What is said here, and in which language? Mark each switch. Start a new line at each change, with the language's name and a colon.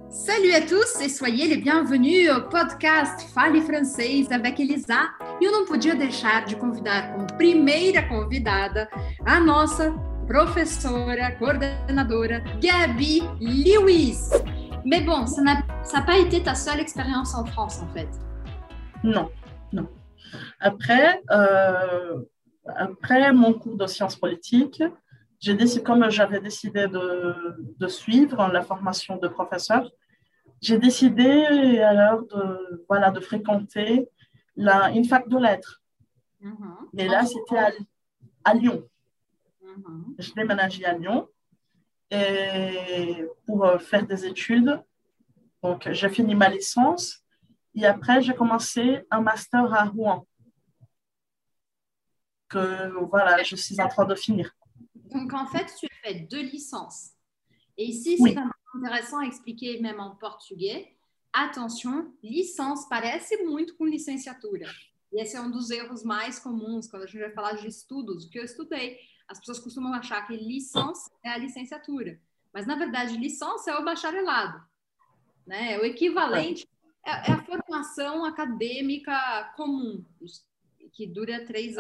French: Salut à tous et soyez les bienvenus au podcast Fale Francês avec Elisa.
Portuguese: Eu não podia deixar de convidar como primeira convidada a nossa professora, coordenadora, Gabi Lewis.
French: Mais bon, ça n'a pas été ta seule expérience en France, en fait. Non, non. Après mon cours de sciences politiques, j'avais décidé de suivre la formation de professeur, j'ai décidé alors de fréquenter une fac de lettres. Mais là, c'était à Lyon. Je déménageais à Lyon et pour faire des études. Donc, j'ai fini ma licence et après, j'ai commencé un master à Rouen. Je suis en train de finir. Donc, en fait, tu as fait deux licences. Et ici, c'est intéressant à expliquer même en portugais.
Portuguese: Attention, licence, parece muito com licenciatura. E esse é dos erros mais comuns quando a gente vai falar de estudos, o que eu estudei. As pessoas costumam achar que licença é a licenciatura. Mas, na verdade, licença é o bacharelado. Né? O equivalente é a formação acadêmica comum, que dura 3 anos.